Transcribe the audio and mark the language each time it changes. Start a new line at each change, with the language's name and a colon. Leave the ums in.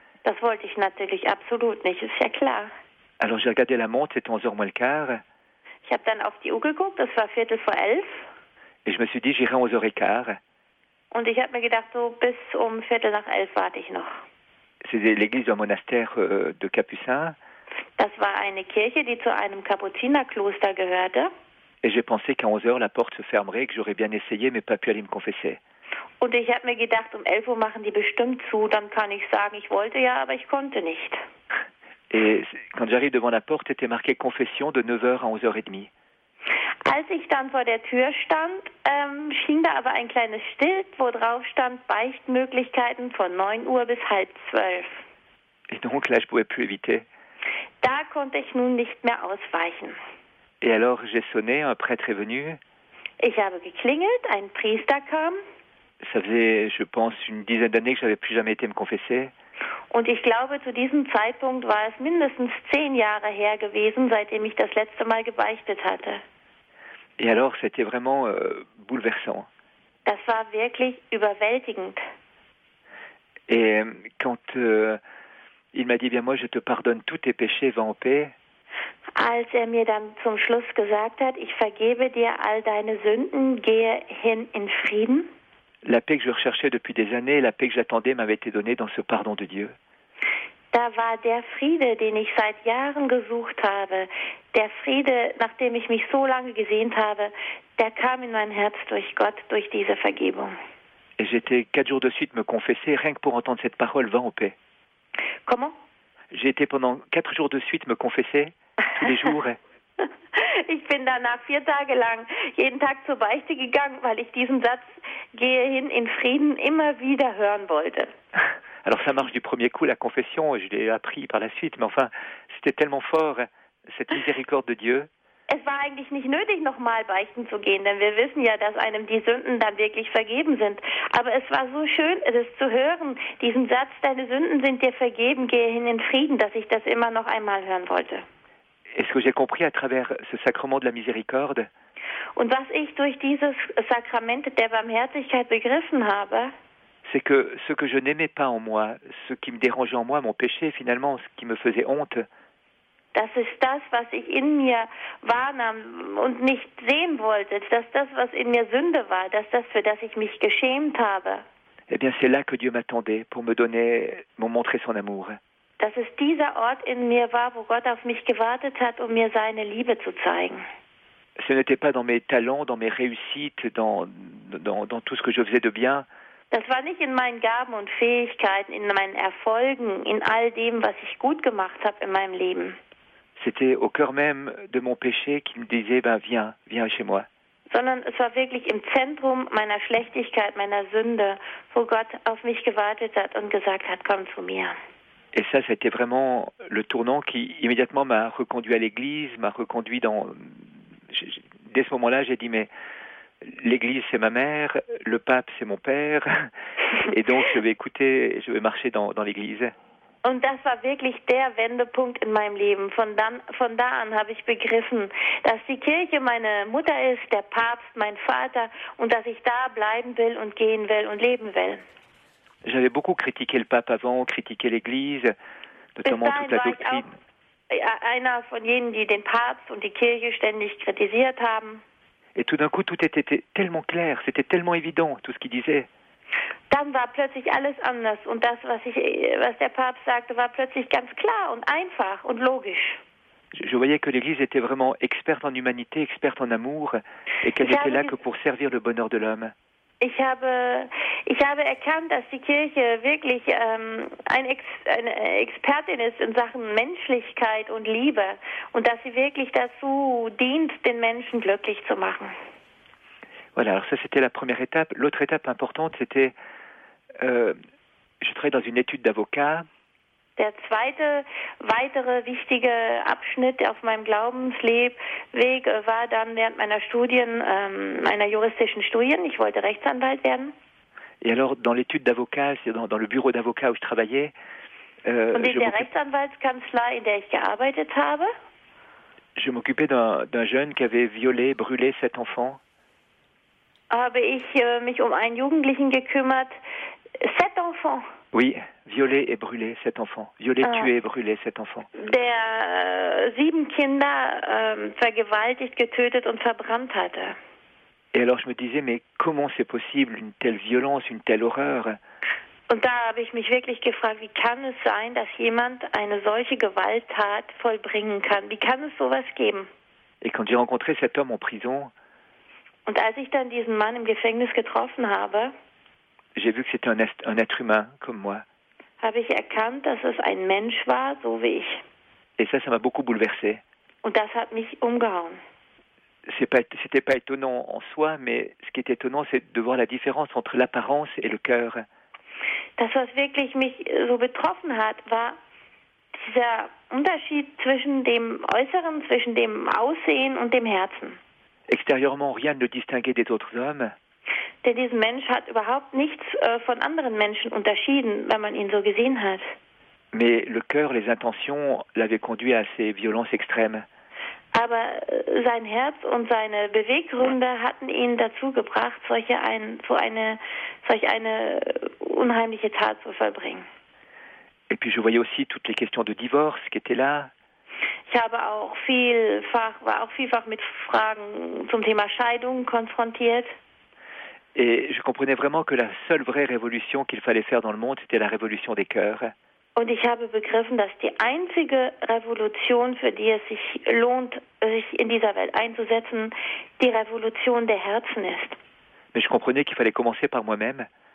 German: Das wollte ich natürlich absolut nicht, ist ja klar.
French: Alors j'ai regardé la montre, c'était 11h moins le quart.
German: Ich habe dann auf die Uhr geguckt, es war Viertel vor elf.
French: Et je me suis dit, j'irai 11h15.
German: Und ich habe mir gedacht, so bis um Viertel nach elf warte ich noch.
French: C'est l'église d'un monastère euh, de Capucins.
German: Das war eine Kirche, die zu einem Kapuzinerkloster gehörte.
French: Et j'ai pensé qu'à 11 heures, la porte se fermerait, que j'aurais bien essayé, mais pas pu aller me confesser.
German: Und ich habe mir gedacht, um 11 Uhr machen die bestimmt zu, dann kann ich sagen, ich wollte ja, aber ich konnte nicht.
French: Et quand j'arrive devant la porte, était marqué confession de 9h à 11h30.
German: Als ich dann vor der Tür stand, ähm, schien da aber ein kleines Schild, wo drauf stand Beichtmöglichkeiten von 9 Uhr bis halb 12.
French: Et donc là, je pouvais plus éviter.
German: Da konnte ich nun nicht mehr ausweichen.
French: Et alors, j'ai sonné, un prêtre est venu.
German: Ich habe geklingelt, ein Priester kam
French: Ça faisait, je pense, une dizaine d'années que j'avais plus jamais été me confesser.
German: und ich glaube, zu diesem Zeitpunkt war es mindestens zehn Jahre her gewesen, seitdem ich das letzte Mal gebeichtet hatte.
French: Et alors, c'était vraiment euh, bouleversant.
German: Das war wirklich überwältigend.
French: Et euh, quand euh, il m'a dit, bien moi, je te pardonne tous tes péchés, va en paix,
German: Als er mir dann zum Schluss gesagt hat, ich vergebe dir all deine Sünden, gehe hin in Frieden,
French: la paix que je recherchais depuis des années, la paix que j'attendais m'avait été donnée dans ce pardon de Dieu.
German: da war der Friede, den ich seit Jahren gesucht habe, der Friede, nach dem ich mich so lange gesehnt habe, der kam in mein Herz durch Gott, durch diese Vergebung.
French: Et j'étais quatre jours de suite me confesser, rien que pour entendre cette parole, va en paix. Comment? J'ai été pendant quatre jours de suite me confesser, tous les jours.
German: Ich bin danach vier Tage lang jeden Tag zur Beichte gegangen, weil ich diesen Satz gehe hin in Frieden immer wieder hören wollte.
French: Alors ça marche du premier coup, la confession, je l'ai appris par la suite, mais enfin, c'était tellement fort, cette miséricorde de Dieu.
German: Es war eigentlich nicht nötig, nochmal beichten zu gehen, denn wir wissen ja, dass einem die Sünden dann wirklich vergeben sind. Aber es war so schön, es zu hören, diesen Satz, deine Sünden sind dir vergeben, gehe hin in Frieden, dass ich das immer noch einmal hören wollte.
French: Et ce que j'ai compris à travers ce sacrement de la miséricorde,
German: Und was ich durch dieses Sakrament der Barmherzigkeit begriffen habe,
French: c'est que ce que je n'aimais pas en moi, ce qui me dérangeait en moi, mon péché finalement, ce qui me faisait honte,
German: das ist das, was ich in mir wahrnahm und nicht sehen wollte, dass das, was in mir Sünde war, dass das, für das ich mich geschämt habe,
French: eh bien c'est là que Dieu m'attendait pour me donner, me montrer son amour.
German: dass es dieser Ort in mir war, wo Gott auf mich gewartet hat, um mir seine Liebe zu zeigen.
French: Ce n'était pas dans mes talents, dans mes réussites, dans, dans, dans tout ce que je faisais de bien,
German: Das war nicht in meinen Gaben und Fähigkeiten, in meinen Erfolgen, in all dem, was ich gut gemacht habe in meinem Leben,
French: c'était au cœur même de mon péché qui me disait, ben viens, viens chez moi.
German: sondern es war wirklich im Zentrum meiner Schlechtigkeit, meiner Sünde, wo Gott auf mich gewartet hat und gesagt hat, komm zu mir.
French: Et ça, c'était vraiment le tournant qui immédiatement m'a reconduit à l'Église, m'a reconduit dans. j'ai- j'ai- Dès ce moment-là, j'ai dit mais l'Église c'est ma mère, le pape c'est mon père, et donc je vais écouter, je vais marcher dans, dans l'Église.
German: Und das war wirklich der Wendepunkt in meinem Leben. Von, dann, von da an habe ich begriffen, dass die Kirche meine Mutter ist, der Papst mein Vater und dass ich da bleiben will und gehen will und leben will.
French: J'avais beaucoup critiqué le pape avant, critiqué l'Église,
German: Bis
French: notamment toute
German: dahin
French: la
German: war ich
French: doctrine.
German: auch äh, einer von jenen, die den Papst und die Kirche ständig kritisiert haben.
French: Et tout d'un coup, tout était était tellement clair, c'était tellement évident tout ce qu'il disait.
German: Dann war plötzlich alles anders und das, was, ich, äh, was der Papst sagte, war plötzlich ganz klar und einfach und logisch.
French: Je je voyais que l'Église était vraiment experte en humanité, experte en amour, et qu'elle J'avais- n'était là que pour servir le bonheur de l'homme.
German: Ich habe, ich habe erkannt, dass die Kirche wirklich ähm, ein Ex, eine Expertin ist in Sachen Menschlichkeit und Liebe und dass sie wirklich dazu dient, den Menschen glücklich zu machen.
French: Voilà, alors ça c'était la première étape. L'autre étape importante, c'était, euh, je travaillais dans une étude d'avocat,
German: Der zweite weitere wichtige Abschnitt auf meinem Glaubenslebweg äh, war dann während meiner Studien, ähm, meiner juristischen Studien. Ich wollte Rechtsanwalt werden.
French: et alors dans l'étude d'avocat, c'est dans, dans le bureau d'avocat où je travaillais, euh,
German: Und in
French: je
German: der
French: m'occu-
German: Rechtsanwaltskanzlei, in der ich gearbeitet habe,
French: je m'occupais d'un d'un jeune qui avait violé, brûlé sept enfants,
German: habe ich äh, mich um einen Jugendlichen gekümmert.
French: Sept enfants, oui, violé et brûlé sept enfants, violé, Ah. tué et brûlé sept enfants.
German: der äh, sieben Kinder ähm, vergewaltigt, getötet und verbrannt hatte.
French: Et alors je me disais, mais comment c'est possible une telle violence, une telle horreur
German: Und da habe ich mich wirklich gefragt, wie kann es sein, dass jemand eine solche Gewalttat vollbringen kann? Wie kann es sowas geben?
French: Et quand j'ai rencontré cet homme en prison,
German: Und als ich dann diesen Mann im Gefängnis getroffen habe,
French: j'ai vu que c'était un, un, être humain comme moi.
German: Habe ich erkannt, dass es ein Mensch war, so wie ich.
French: Et ça, ça m'a beaucoup bouleversé.
German: Und das hat mich umgehauen.
French: C'était pas, pas étonnant en soi, mais ce qui était étonnant, c'est de voir la différence entre l'apparence et le cœur.
German: Das, was wirklich mich so betroffen hat, war dieser Unterschied zwischen dem Äußeren, zwischen dem Aussehen und dem Herzen.
French: Extérieurement, rien ne le distinguait des autres hommes.
German: Denn dieser Mensch hat überhaupt nichts äh, von anderen Menschen unterschieden, wenn man ihn so gesehen hat.
French: Mais le cœur, les intentions l'avaient conduit à ces violences extrêmes.
German: Aber sein Herz und seine Beweggründe hatten ihn dazu gebracht, solche ein, so eine, solch eine unheimliche Tat zu vollbringen.
French: Et puis je voyais aussi toutes les questions de divorce qui étaient là.
German: Ich habe auch vielfach, war auch vielfach mit Fragen zum Thema Scheidung konfrontiert.
French: Et je comprenais vraiment que la seule vraie révolution qu'il fallait faire dans le monde, c'était la révolution des cœurs.
German: Und ich habe begriffen, dass die einzige Revolution, für die es sich lohnt, sich in dieser Welt einzusetzen, die Revolution der Herzen ist.
French: Mais je comprenais qu'il fallait commencer par moi-même.